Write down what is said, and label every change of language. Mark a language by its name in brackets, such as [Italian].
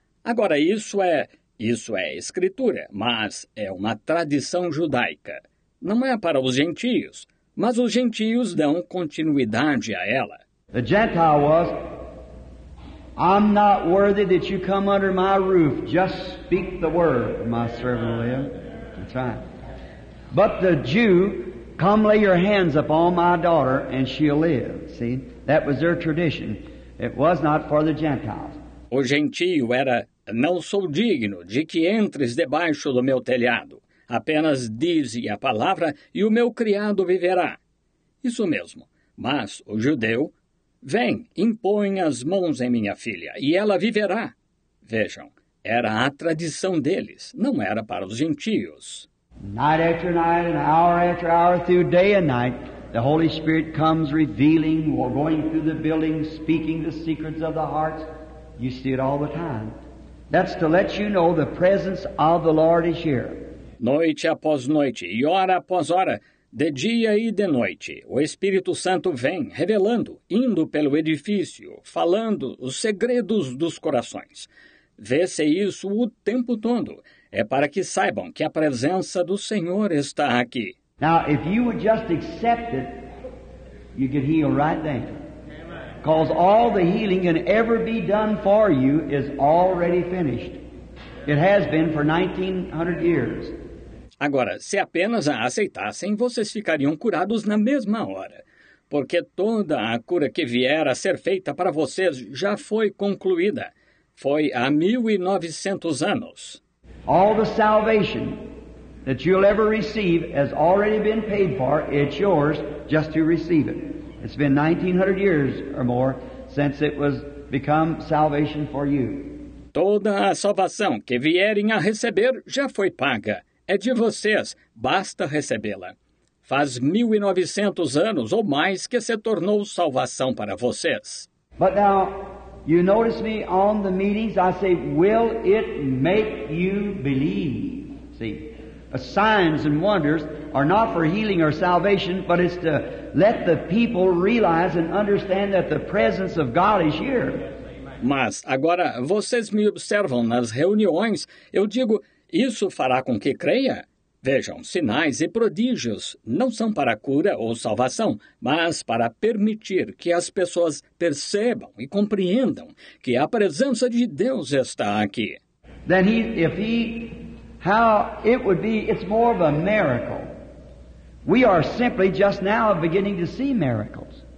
[Portuguese] Agora, isso é escritura, mas é uma tradição judaica. Não é para os gentios, mas os gentios dão continuidade a ela. [English] The Gentile was... I'm not worthy that you come under my roof. Just speak the word, my servant will live. That's right. But the Jew, come lay your hands upon my daughter and she'll live. See, that was their tradition. It was not for the Gentiles. [Portuguese] O gentio era, não sou digno de que entres debaixo do meu telhado. Apenas dize a palavra e o meu criado viverá. Isso mesmo. Mas o judeu, vem, impõe as mãos em minha filha, e ela viverá. Vejam, era a tradição deles, não era para os gentios. [English] Night after night, and hour after hour, through day and night, the Holy Spirit comes revealing, or going through the building, speaking the secrets of the hearts. You see it all the time. That's to let you know the presence of the Lord is here. [Portuguese] Noite após noite, e hora após hora, de dia e de noite, o Espírito Santo vem, revelando, indo pelo edifício, falando os segredos dos corações. Vê-se isso o tempo todo. É para que saibam que a presença do Senhor está aqui. [English] Now, if you would just accept it, you could heal right then. Because all the healing can ever be done for you is already finished. It has been for 1900 years. [Portuguese] Agora, se apenas a aceitassem, vocês ficariam curados na mesma hora, porque toda a cura que vier a ser feita para vocês já foi concluída. Foi há 1900 anos. [English] All the salvation that you'll ever receive has already been paid for. It's yours just to receive it. It's been 1900 years or more since it was become salvation for you. [Portuguese] Toda a salvação que vierem a receber já foi paga. É de vocês, basta recebê-la. Faz 1900 anos ou mais que se tornou salvação para vocês. [English] But now, you notice me on the meetings, I say, will it make you believe? See, signs and wonders are not for healing or salvation, but it's to let the people realize and understand that the presence of God is here. [Portuguese] Mas agora, vocês me observam nas reuniões, eu digo... Isso fará com que creia? Vejam, sinais e prodígios não são para cura ou salvação, mas para permitir que as pessoas percebam e compreendam que a presença de Deus está aqui. [English] Then he, if he, how it would be, it's more of a miracle. We are simply just now beginning to see miracles.